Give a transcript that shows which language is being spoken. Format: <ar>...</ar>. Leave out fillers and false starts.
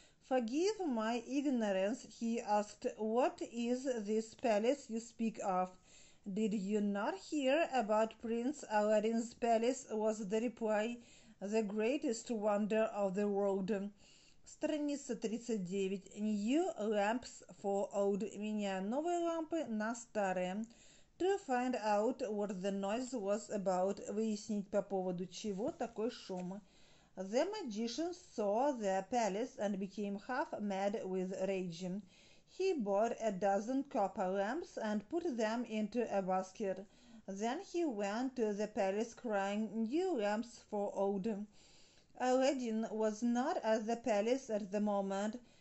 <en>Forgive my ignorance, he asked, what is this palace you speak of? Did you not hear about Prince Aladdin's palace? Was the reply, the greatest wonder of the world. Страница 39. New lamps for old.</en> <ru>Меняя новые лампы на старые.</ru> <en>To find out what the noise was about.</en> <ru>Выяснить по поводу чего такой шум.</ru> <en>The magician saw the palace and became half mad with rage. He bought a dozen copper lamps and put them into a basket. Then he went to the palace crying, new lamps for old. Aladdin was not at the palace at the moment.</en>